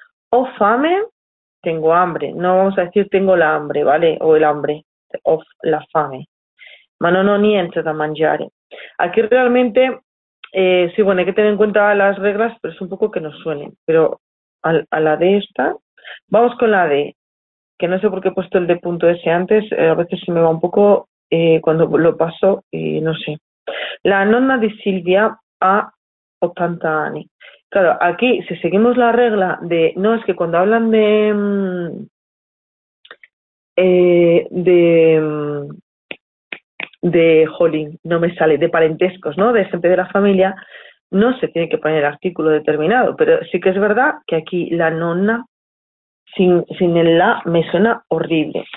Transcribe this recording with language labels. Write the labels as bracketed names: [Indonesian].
[Spanish] o fame, tengo hambre, no vamos a decir tengo la hambre, vale, o el hambre, o [Italian] la fame, ma no, no, niente da mangiare, [Spanish] aquí realmente, sí, bueno, hay que tener en cuenta las reglas, pero es un poco que nos suenen, pero a la de esta, vamos con la D, que no sé por qué he puesto el D punto S antes, a veces se me va un poco cuando lo paso y no sé. [Italian] La nonna di Silvia a 80 anni. [Spanish] Claro, aquí si seguimos la regla de, no, es que cuando hablan de jolín, no me sale, de parentescos, ¿no? De gente de la familia, no se tiene que poner artículo determinado, pero sí que es verdad que aquí la nonna sin el la me suena horrible.